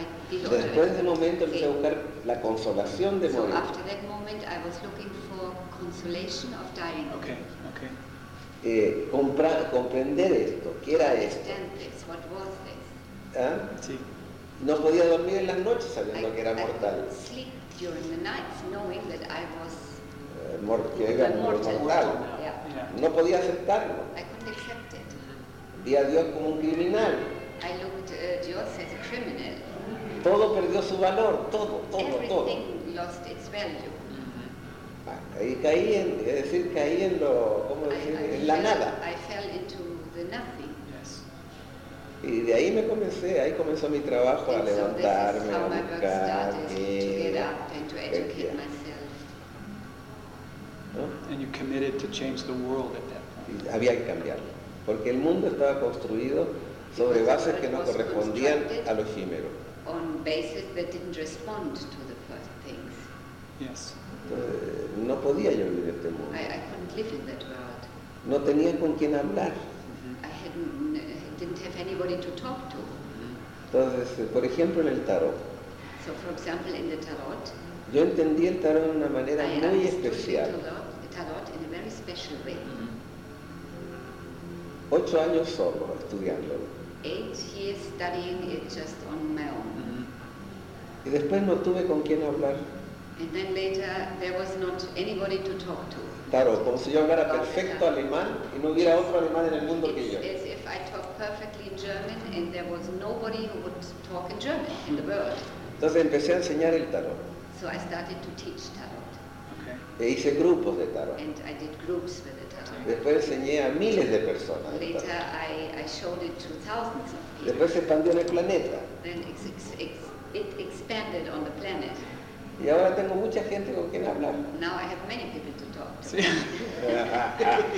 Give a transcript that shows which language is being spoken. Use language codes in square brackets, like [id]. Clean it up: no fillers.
[es] Después de ese momento empecé a buscar la consolación de morir. [en] So after that moment I was looking for consolation of dying. Okay, okay. [es] Comprender esto, ¿qué era esto? [en] This, what was this? ¿Ah? [es] Sí. No podía dormir en las noches sabiendo que era mortal. [en] I sleep during the night knowing that I was mortal. Yeah. [es] No podía aceptarlo. [en] I couldn't accept it. [es] Vi a Dios como un criminal. [en] I looked at Dios as a criminal. [es] Todo perdió su valor, todo, [en] everything [es] todo. [en] Everything lost its value. [es] Ahí caí en, es decir, caí en lo, ¿cómo decir? [en] I [es] en la nada. [en] I fell into the nothing. Yes. [es] Y de ahí me comencé, ahí comenzó mi trabajo [en] and [es] a levantarme, [en] so [es] a buscar, [en] to get up and to educate myself. [es] ¿No? [en] And you committed to change the world at that point. [es] Y había que cambiarlo. Porque el mundo estaba construido sobre bases que no correspondían a lo efímero. [en] On bases that didn't respond to the first things. Yes. [es] Entonces, no podía yo vivir este mundo. [en] I couldn't live in that world. [es] No tenía con quién hablar. [en] Mm-hmm. I didn't have anybody to talk to. Mm-hmm. [es] Entonces, por ejemplo, en el tarot. [en] So, for example, in the tarot. [es] Yo entendí el tarot de una manera muy especial. [en] I understood the tarot in a very special way. Mm-hmm. [es] 8 años solo estudiando. [en] 8 years studying it just on my own. Mm-hmm. [es] Y después no tuve con quién hablar. [en] And then later there was not anybody to talk to. [es] Claro, como si yo hablara perfecto alemán y no hubiera [en] yes. [es] otro alemán en el mundo [en] it's, [es] que yo. [en] As if I talk perfectly German and there was nobody who would talk in German in the world. [es] Entonces empecé a enseñar el tarot. [en] So I started to teach tarot. Okay. [es] E hice grupos de tarot. [en] And I did groups with it. [es] Después enseñé a miles de personas. [en] Later, I showed it to thousands of people. [es] Después se expandió en el planeta. [en] Then it expanded on the planet. [es] Y ahora tengo mucha gente con quien hablar. [en] Now I have many people to talk to.